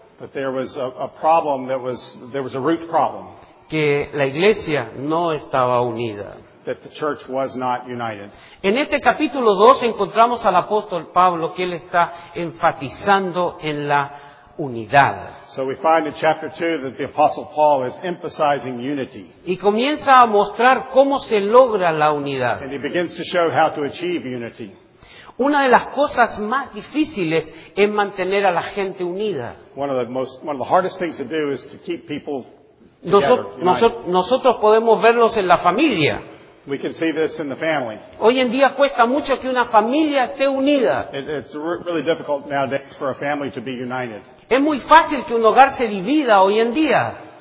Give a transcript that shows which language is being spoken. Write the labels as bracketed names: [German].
[English] But there was a problem that was, there was a root problem. [Spanish] Que la iglesia no estaba unida. [English] That the church was not united. [Spanish] En este capítulo 2 encontramos al apóstol Pablo que él está enfatizando en la unidad. [English] So we find in chapter 2 that the apostle Paul is emphasizing unity. [Spanish] Y comienza a mostrar cómo se logra la unidad. [English] And he begins to show how to achieve unity. [Spanish] Una de las cosas más difíciles es mantener a la gente unida. [English] One of the hardest things to do is to keep people together. [Spanish] Nosotros podemos verlos en la familia. [English] We can see this in the family. [Spanish] Hoy en día cuesta mucho que una familia esté unida. [English] It's really difficult nowadays for a family to be united. [Spanish] Es muy fácil que un hogar se divida hoy en día.